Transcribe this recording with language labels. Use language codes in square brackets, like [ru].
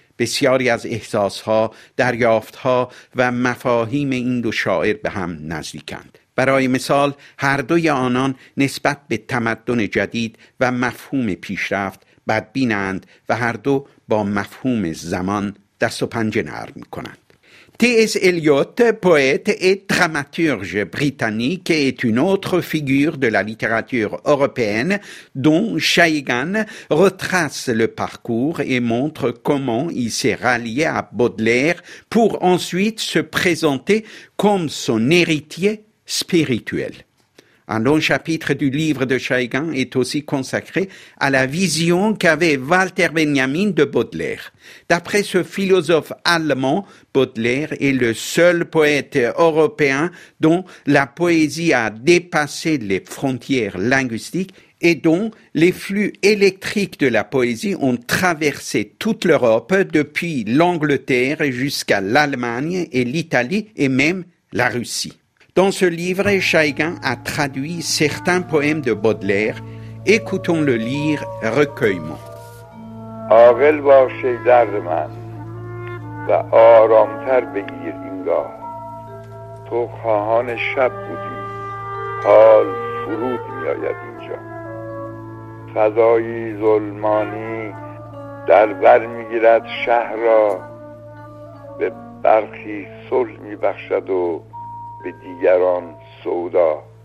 [fa] بسیاری از احساسها، دریافتها و مفاهیم این دو شاعر به هم نزدیکند. برای مثال هر دوی آنان نسبت به تمدن جدید و مفهوم پیشرفت بدبینند و هر دو با مفهوم زمان دست و پنجه نرم می کنند. [fr] T.S. Eliot, poète et dramaturge britannique, est une autre figure de la littérature européenne dont Shaygan retrace le parcours et montre comment il s'est rallié à Baudelaire pour ensuite se présenter comme son héritier spirituel. Un long chapitre du livre de Shaygan est aussi consacré à la vision qu'avait Walter Benjamin de Baudelaire. D'après ce philosophe allemand, Baudelaire est le seul poète européen dont la poésie a dépassé les frontières linguistiques et dont les flux électriques de la poésie ont traversé toute l'Europe depuis l'Angleterre jusqu'à l'Allemagne et l'Italie et même la Russie. Dans ce livre, Shaygan a traduit certains poèmes de Baudelaire. Écoutons-le lire recueillement. [fa] عاقل باش ای درد من و آرامتر بگیر اینگاه، تو خواهان شب بودی، حال فرود می آید اینجا، فضای ظلمانی در بر می گیرد شهر را، به برخی صلح می بخشد و به دیگران سودا،